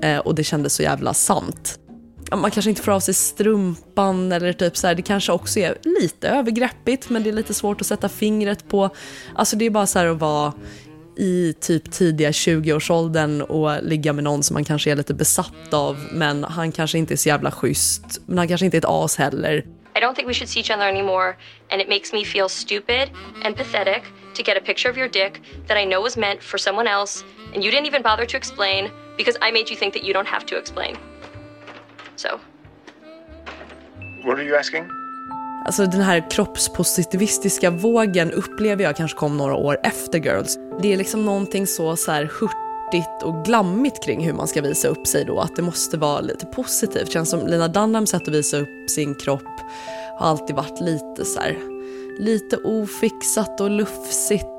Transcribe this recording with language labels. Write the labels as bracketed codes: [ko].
[sv] Och det kändes så jävla sant. Man kanske inte får av sig strumpan eller typ så här. Det kanske också är lite övergreppigt, men det är lite svårt att sätta fingret på. Alltså det är bara så här att vara i typ tidiga 20-årsåldern och ligga med någon som man kanske är lite besatt av, men han kanske inte är så jävla schysst, men han kanske inte är ett as heller. [en] I don't think we should see each other anymore, and it makes me feel stupid and pathetic to get a picture of your dick that I know was meant for someone else and you didn't even bother to explain because I made you think that you don't have to explain. So. What are you asking? [sv] Alltså den här kroppspositivistiska vågen upplever jag kanske kom några år efter Girls. Det är liksom någonting så här hurtigt och glammigt kring hur man ska visa upp sig då. Att det måste vara lite positivt. Känns som Lena Dunhams sätt att visa upp sin kropp har alltid varit lite så här, lite ofixat och lufsigt.